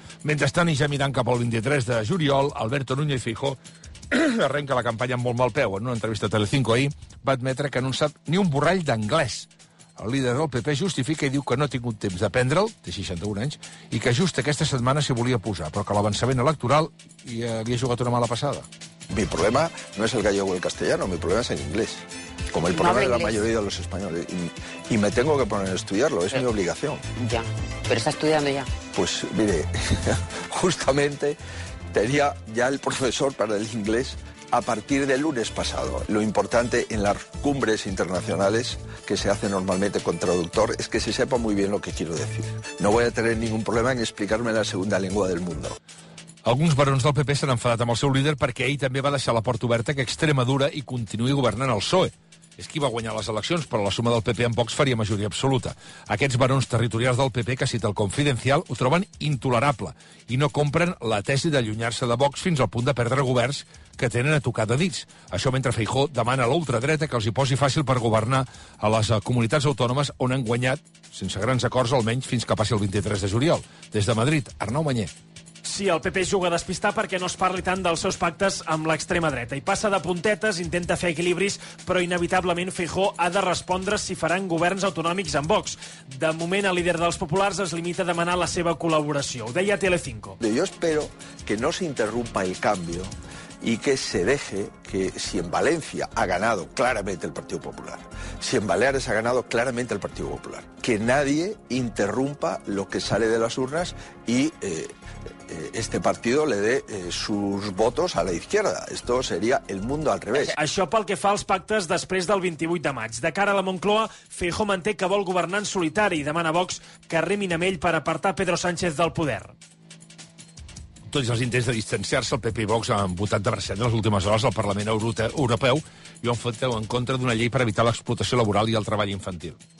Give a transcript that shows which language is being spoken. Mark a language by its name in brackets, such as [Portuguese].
[Catalan] Mentrestant, i ja mirant cap al 23 de juliol, Alberto Núñez Feijóo arrenca la campanya amb molt mal peu. En una entrevista a Telecinco ahir va admetre que no en sap ni un borrall d'anglès. El líder del PP justifica i diu que no ha tingut temps d'aprendre'l, té 61 anys, i que just aquesta setmana s'hi volia posar, però que l'avançament electoral hi havia jugat una mala passada. [Spanish] Mi problema no es el gallego o el castellano, mi problema es el inglés. Como el problema de la mayoría de los españoles. Y me tengo que poner a estudiarlo, es mi obligación. Ya, pero está estudiando ya. Pues mire, justamente tenía ya el profesor para el inglés a partir del lunes pasado. Lo importante en las cumbres internacionales que se hacen normalmente con traductor es que se sepa muy bien lo que quiero decir. No voy a tener ningún problema en explicarme la segunda lengua del mundo. [Catalan] Alguns barons del PP s'han enfadat amb el seu líder perquè ell també va deixar la porta oberta que Extremadura i continuï governant el PSOE. És qui va guanyar les eleccions, però la suma del PP en Vox faria majoria absoluta. Aquests barons territorials del PP, que cita el Confidencial, ho troben intolerable i no compren la tesi d'allunyar-se de Vox fins al punt de perdre governs que tenen a tocar de dits. Això mentre Feijóo demana a l'ultradreta que els hi posi fàcil per governar a les comunitats autònomes on han guanyat, sense grans acords almenys, fins que passi el 23 de juliol. Des de Madrid, Arnau Mañé. Sí, el PP juga a despistar perquè no es parli tant dels seus pactes amb l'extrema dreta. I passa de puntetes, intenta fer equilibris, però inevitablement Feijó ha de respondre si faran governs autonòmics amb Vox. De moment, el líder dels populars es limita a demanar la seva col·laboració. Ho deia Telecinco. [Spanish] Yo espero que no se interrumpa el cambio y que se deje que si en Valencia ha ganado claramente el Partido Popular, si en Baleares ha ganado claramente el Partido Popular, que nadie interrumpa lo que sale de las urnas y este partido le dé sus votos a la izquierda. Esto sería el mundo al revés. [Catalan] Això pel que fa als pactes després del 28 de maig. De cara a la Moncloa, Feijó manté que vol governar en solitari i demana a Vox que remin amb ell per apartar Pedro Sánchez del poder. Tots els intents de distanciar-se, el PP i Vox han votat de bracet en les últimes hores al Parlament Europeu i ho han fet en contra d'una llei per evitar l'explotació laboral i el treball infantil.